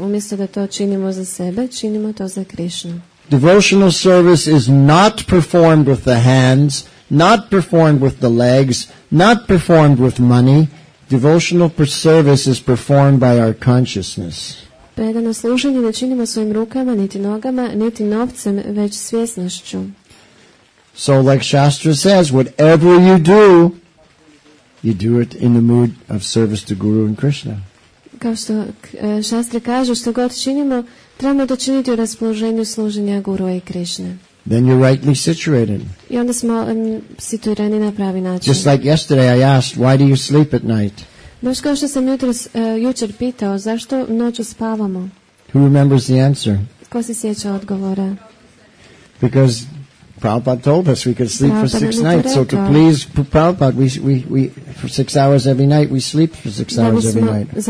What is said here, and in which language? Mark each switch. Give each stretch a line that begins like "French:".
Croatian: Umjesto da to činimo za sebe, činimo to za Krishnu.
English: Devotional service is not performed with the hands, not performed with the legs, not performed with money. Devotional service is performed by our consciousness.
Croatian: Predano služenje ne činimo svojim rukama, niti nogama, niti novcem, već svjesnošću.
English: So like Shastra says, whatever you do it in the mood of service to Guru and Krishna.
Croatian: Kao što Shastra kaže, što god činimo, trebamo to činiti u raspoloženju služenja Guru i Krishna.
English: Then you're rightly situated.
Croatian: I onda smo situirani na pravi način.
English: Just like yesterday I asked, why do you sleep at night?
Croatian: Baš kao što sam jučer pitao, zašto noću spavamo?
English: Who remembers the answer?
Croatian: Ko se sjeća odgovora?
English: Because Prabhupada told us we could sleep for six nights. So to please Prabhupada, we for 6 hours every night, we sleep for 6 hours every night.